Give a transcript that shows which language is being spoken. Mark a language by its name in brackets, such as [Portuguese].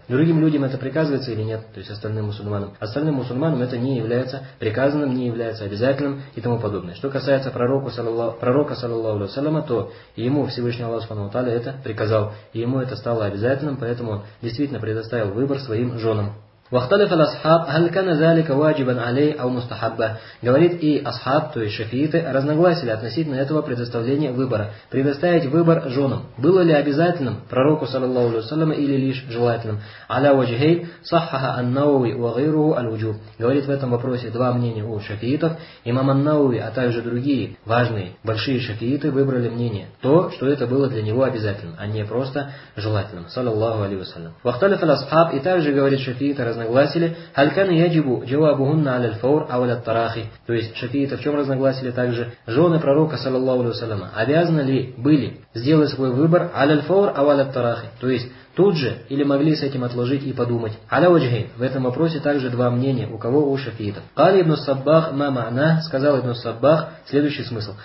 [Russian] Другим людям это приказывается или нет, то есть остальным мусульманам? Остальным мусульманам это не является приказанным, не является обязательным и тому подобное. Что касается пророка, саллаллаху алейхи ва саллям, то ему Всевышний Аллах субхана ва тааля это приказал. И ему это стало обязательным, поэтому он действительно предоставил выбор своим женам. [Arabic] واختلف الاصحاب هل كان ذلك واجبا عليه او مستحبا. [Russian] Говорит, и асхаб, то есть шафииты, разногласили относительно этого предоставления выбора. Предоставить выбор женам было ли обязательным пророку, саллаллаху алейхи ва саллям, или лишь желательным? [Arabic] Аля وجهي صحح النووي وغيره الوجوب. [Russian] Говорит, в этом вопросе два мнения у шафиитов. Имам ан-Науви, а также другие важные большие шафииты выбрали мнение то, что это было для него обязательным, а не просто желательным, саллаллаху алейхи ва саллям. [Arabic] واختلف الاصحاب, [Russian] и также говорит шафиит, разногласили, [Arabic] هل كان يجب جوابهن على الفور او على التراخي. [Russian] То есть шафииты в чем разногласили также? Жены пророка, саллаллаху алейхи ва саллям, обязаны ли были сделали свой выбор [Arabic] аль-фор ау аль-тарахи, [Russian] то есть тут же, или могли с этим отложить и подумать. [Arabic] Аля-ваджхей, [Russian] в этом вопросе также два мнения, у кого у шафиитов. [Arabic] Кали ибн Саббах ма маана, [Russian] сказал ибн Саббах, следующий смысл.